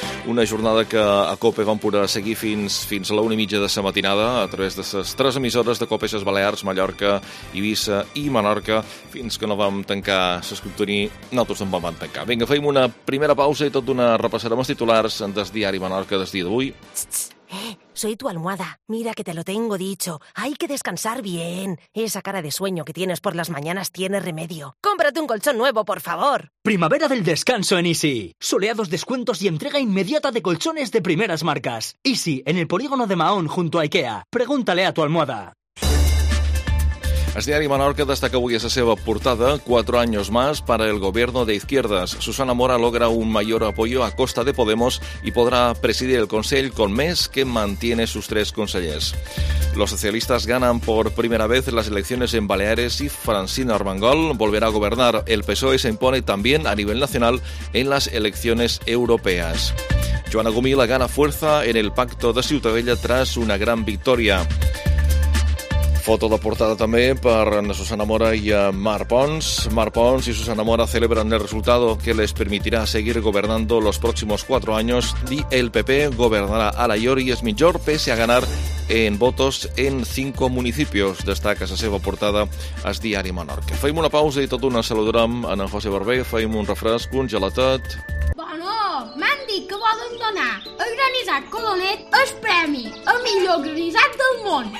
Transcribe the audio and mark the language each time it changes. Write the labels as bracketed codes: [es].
[ca] Una jornada que a COPE vam poder seguir fins a la 1:30 de sa matinada, a través de ses tres emissores de COPE, ses Balears, Mallorca, Eivissa i Menorca, fins que no vam tancar s'escriptori, nosaltres no vam tancar. Vinga, feim una primera pausa i tot d'una repassarem els titulars del diari Menorca del dia d'avui. [es] Soy tu almohada. Mira que te lo tengo dicho. Hay que descansar bien. Esa cara de sueño que tienes por las mañanas tiene remedio. ¡Cómprate un colchón nuevo, por favor! Primavera del descanso en Easy. Soleados descuentos y entrega inmediata de colchones de primeras marcas. Easy, en el polígono de Mahón, junto a IKEA. Pregúntale a tu almohada. [ca] El diari Menorca destaca avui a la seva portada [es] 4 años más para el gobierno de izquierdas. Susana Mora logra un mayor apoyo a costa de Podemos y podrá presidir el Consell con Més, que mantiene sus 3 consellers. Los socialistas ganan por primera vez las elecciones en Baleares y Francina Armengol volverá a gobernar. El PSOE se impone también a nivel nacional en las elecciones europeas. Joana Gomila gana fuerza en el pacto de Ciutadella tras una gran victoria. [ca] Foto de portada també per Susana Mora i Marc Pons. [es] Marc Pons i Susana Mora celebren el resultado que les permitirà seguir gobernando los próximos 4 años y el PP gobernará a la Llor i es millor pese a ganar en votos en 5 municipios. [ca] Destaca la seva portada al diari Menorca. Fem una pausa i tot una saludarem en José Barber. Fem un refresc, un gelatet. Bueno, m'han dit que volen donar el granissat Colonet el premi al millor granissat del món.